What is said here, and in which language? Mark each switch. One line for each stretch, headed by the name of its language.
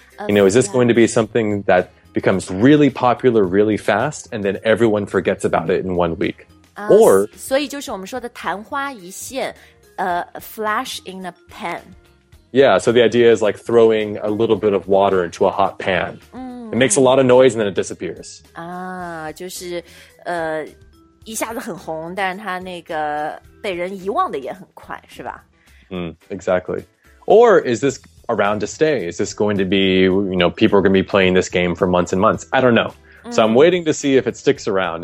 English: You know, is this going to be something that becomes really popular really fast And then everyone forgets about it in 1 week? Or,
Chinese: 所以就是我们说的昙花一现
English: flash in a pan. Yeah, so the idea is like throwing a little bit of water into a hot pan. It makes a lot of noise and then it disappears.
Chinese: 就是一下子很红但是它那个被人遗忘的也很快是吧、
English: exactly. Or is this around to stay? Is this going to be, you know, people are going to be playing this game for months and months? I don't know. So I'm waiting to see if it sticks around.